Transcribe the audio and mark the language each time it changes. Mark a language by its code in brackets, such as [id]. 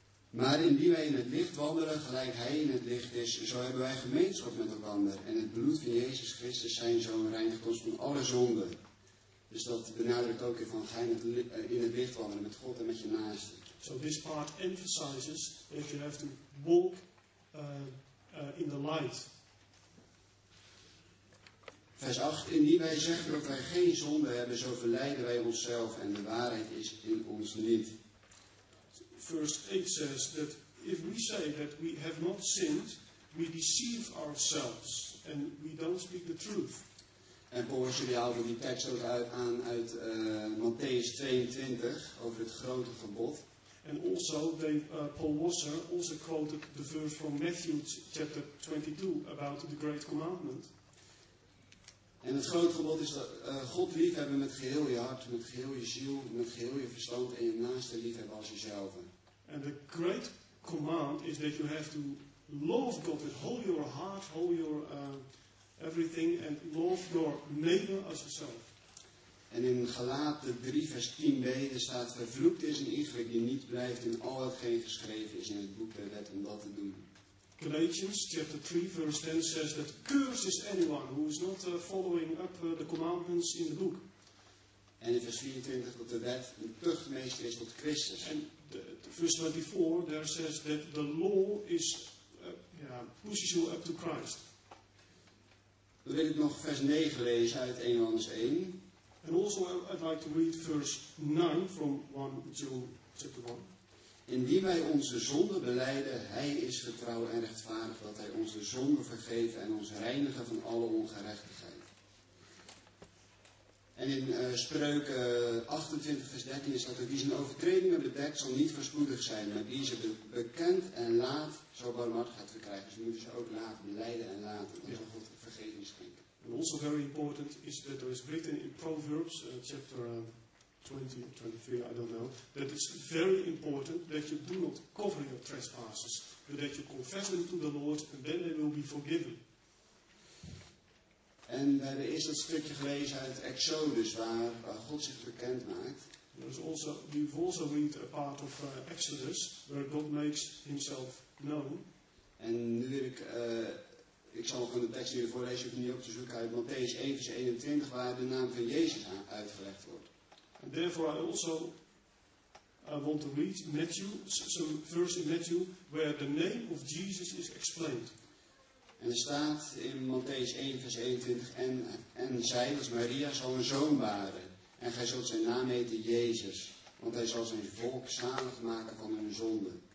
[nl] Maar indien wij in het licht wandelen, gelijk hij in het licht is, zo hebben wij gemeenschap met elkaar. En het bloed van Jezus Christus zijn zoon reinigt ons van alle zonden. Dus dat benadrukt ook weer van, ga in het licht wandelen met God en met je naaste. [en] So this part emphasizes that you have to walk in the light. [nl] Vers 8, indien wij zeggen dat wij geen zonde hebben, zo verleiden wij onszelf en de waarheid is in ons niet. [en] Verse 8 says that if we say that we have not sinned, we deceive ourselves and we don't speak the truth. [nl] En Paulus jullie houden die tekst ook uit Matthäus 22 over het grote gebod. [en] And also, Paul Washer also quoted the verse from Matthew chapter 22 about the great commandment. [nl] En het grote gebod is dat God liefhebben met geheel je hart, met geheel je ziel, met geheel je verstand en je naaste liefhebben als jezelf. [en] And the great command is that you have to love God with all your heart, all your everything, and love your neighbor as yourself. [nl] En in Galaten 3 vers 10b staat: vervloekt is een ieder die niet blijft in al hetgeen geschreven is in het boek der wet om dat te doen. [en] Galatians chapter 3 verse 10 says that cursed is anyone who is not following up the commandments in the book. [nl] En in vers 24 tot de wet, de tuchtmeester is tot Christus. [en] En verse 24 there says that the law is pushes you up to Christ. [nl] Dan wil ik nog vers 9 lezen uit 1 Johannes 1. [en] En also I'd like to read verse 9 from 1 John chapter 1. [nl] Indien wij onze zonden beleiden, hij is getrouw en rechtvaardig dat hij onze zonden vergeven en ons reinigen van alle ongerechtigheid. En in Spreuken 28 vers 13 staat dat wie zijn overtredingen bedekt zal niet voorspoedig zijn, maar wie ze bekend en laat zal barmhartigheid verkrijgen. Dus we moeten ze ook laat beleiden en laten, dan zal God vergeving schenken. [en] And also very important is that there is written in Proverbs chapter 20 or 23, I don't know, that it's very important that you do not cover your trespasses, but that you confess them to the Lord and then they will be forgiven. [nl] En we hebben eerst dat stukje gelezen uit Exodus, waar God zich bekend maakt. [en] We've also read a part of Exodus, where God makes himself known. [nl] En nu wil ik, ik zal gewoon de tekst hier voorlezen, je hoeft niet op te zoeken uit Matthäus 1 vers 21, waar de naam van Jezus uitgelegd wordt. [en] And therefore I also want to read Matthew, some verse in Matthew, where the name of Jesus is explained. [nl] En er staat in Matthäus 1 vers 21, en zij, dat is Maria, zal een zoon baren. En gij zult zijn naam heten Jezus, want hij zal zijn volk zalig maken van hun zonden.